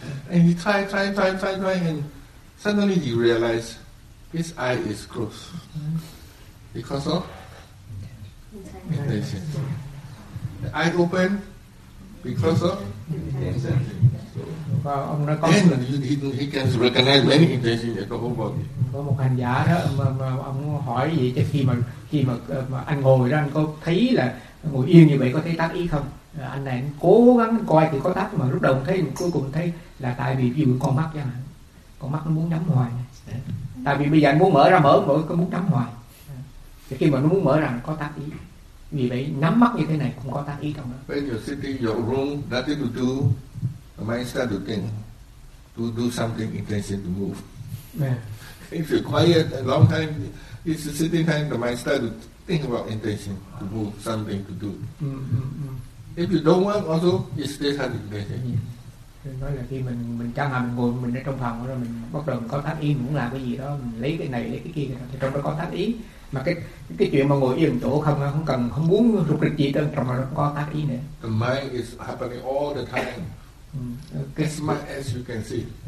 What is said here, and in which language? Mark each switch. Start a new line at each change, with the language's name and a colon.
English: And he try, and suddenly he realize his eye is closed because of intention. The eye open because of intention. And he can recognize many intention in the whole body.
Vietnamese: Có một hành giả đó mà ông hỏi vậy cho khi mà anh ngồi đó anh có thấy là ngồi yên như vậy có thấy tác ý không? Anh này anh cố gắng coi thì có tác mà lúc đầu thấy cuối cùng thấy là tại vì ví dụ con mắt chẳng hạn, con mắt nó muốn nhắm hoài, tại vì bây giờ anh muốn mở có muốn nhắm hoài, thì khi mà nó muốn mở ra có tác ý, vì vậy nhắm mắt như thế này cũng có tác ý trong đó.
English: When you're sitting in your room, nothing to do, the mind start to think, to do something intention to move. Yeah. If you're quiet a long time, it's a sitting time, the mind starts to think about intention, to do something to do. Mm-hmm. If you don't work also, you still have intention. Yeah.
Vietnamese: Nói là khi mình chăng là mình ngồi mình ở trong phòng rồi mình bắt đầu có tác ý, mình muốn làm cái gì đó, mình lấy cái này lấy cái kia thì trong đó có tác ý, mà cái chuyện mà ngồi yên chỗ không cần không muốn rục rịch gì đó, trong đó có tác ý nữa.
English: The mind is happening all the time. As much as you can see.